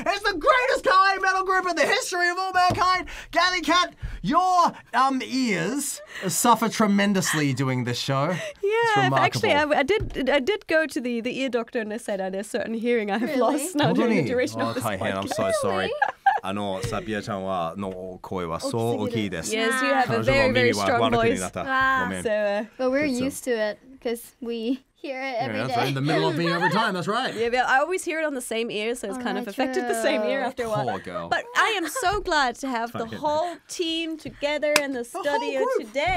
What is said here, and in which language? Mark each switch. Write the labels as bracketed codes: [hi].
[en] It's the greatest kawaii metal group in the history of all mankind. Cathy Cat, your ears suffer tremendously doing this show. Yeah, actually, I did go to the ear doctor and they said there's a certain hearing I have lost now during the duration of this podcast. I'm so sorry. [ja] サビアちゃんの声はそう大きいです. [en] Yes, you have a very, very strong voice. But we're used to it because we hear it every day. Yeah, in the middle of me every time, that's right. Yeah, but I always hear it on the same ear, so it's kind of affected the same ear after a while. Poor girl. But I am so glad to have the whole team together in the studio today.